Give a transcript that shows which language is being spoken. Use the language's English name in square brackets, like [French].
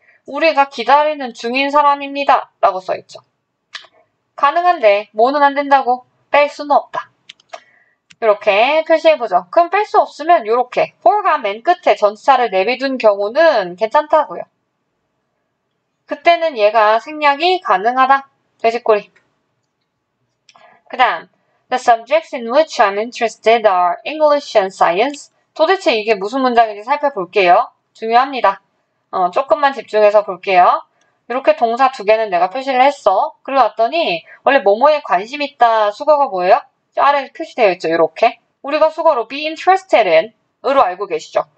[Korean] 우리가 기다리는 중인 사람입니다. 라고 써있죠. 가능한데 뭐는 안 된다고? 뺄 수는 없다. 이렇게 표시해보죠. 그럼 뺄 수 없으면 이렇게 for가 맨 끝에 전치사를 내비둔 경우는 괜찮다고요. 그때는 얘가 생략이 가능하다. 돼지꼬리. 그 다음 [English] The subjects in which I'm interested are English and science. [Korean] 도대체 이게 무슨 문장인지 살펴볼게요. 중요합니다. 조금만 집중해서 볼게요. 이렇게 동사 두 개는 내가 표시를 했어. 그리고 왔더니 원래 뭐뭐에 관심 있다 수거가 뭐예요? 아래 표시되어 있죠. 이렇게. 우리가 수거로 be interested in 으로 알고 계시죠.